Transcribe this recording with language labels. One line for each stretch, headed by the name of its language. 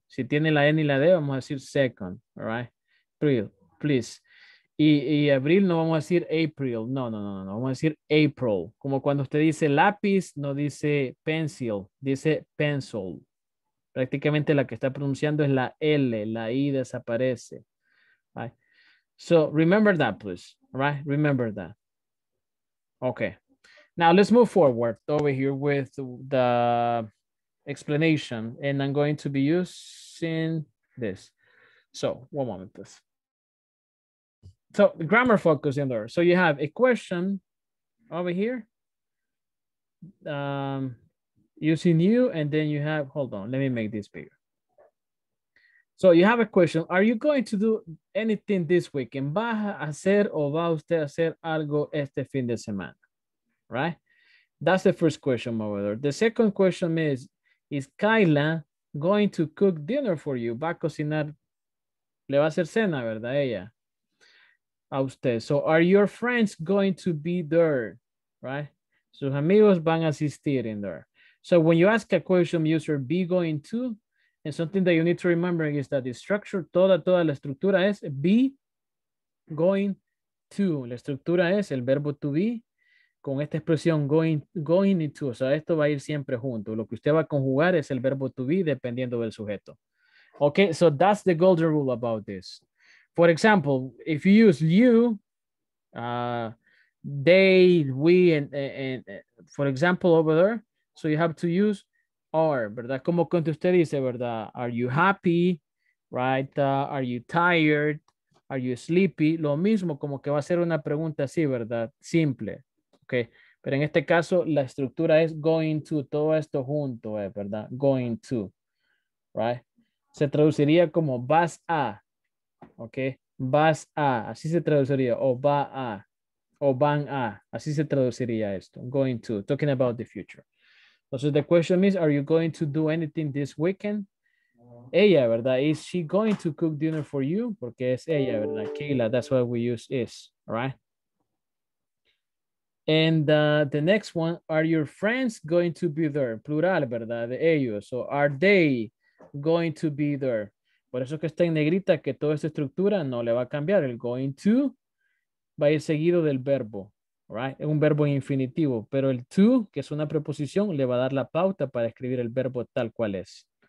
Spanish: Si tiene la N y la D, vamos a decir second, right? April, please. Y abril no vamos a decir April, no, vamos a decir April. Como cuando usted dice lápiz, no dice pencil, dice pencil. Prácticamente la que está pronunciando es la L, la I desaparece.
English: Right? So remember that, please. Right? Remember that. Okay. Now let's move forward over here with the explanation, and I'm going to be using this. So one moment, please. So grammar focus in there. So you have a question over here. Using you, and then you have, hold on, let me make this bigger. So you have a question. Are you going to do anything this weekend?
Spanish: ¿Va a hacer o va usted a hacer algo este fin de semana?
English: Right? That's the first question, my brother. The second question is Kyla going to cook dinner for you?
Spanish: ¿Va a cocinar? ¿Le va a hacer cena, verdad, ella? A usted.
English: So are your friends going to be there? Right?
Spanish: Sus amigos van a asistir
English: in there. So when you ask a question, user be going to, and something that you need to remember is that the structure,
Spanish: toda la estructura es
English: be going to.
Spanish: La estructura es el verbo to be con esta expresión going into. O sea, esto va a ir siempre junto. Lo que usted va a conjugar es el verbo to be dependiendo del sujeto.
English: Okay, so that's the golden rule about this. For example, if you use you, they, we, and for example over there, so you have to use are, ¿verdad?
Spanish: Como cuando usted dice, ¿verdad?
English: Are you happy, right? Are you tired? Are you sleepy?
Spanish: Lo mismo, como que va a ser una pregunta así, ¿verdad? Simple, okay? Pero en este caso, la estructura es going to, todo esto junto, ¿verdad?
English: Going to, right?
Spanish: Se traduciría como vas a, okay? Vas a, así se traduciría, o va a, o van a, así se traduciría esto,
English: going to, talking about the future. So the question is, are you going to do anything this weekend?
Spanish: Ella, ¿verdad?
English: Is she going to cook dinner for you?
Spanish: Porque es ella, ¿verdad?
English: Kayla, that's why we use is, right? And the next one, are your friends going to be there?
Spanish: Plural, ¿verdad? De ellos.
English: So are they going to be there?
Spanish: Por eso que está en negrita, que toda esta estructura no le va a cambiar. El going to va a ir seguido del verbo. Right? Es un verbo en infinitivo, pero el to, que es una preposición, le va a dar la pauta para escribir el verbo tal cual es.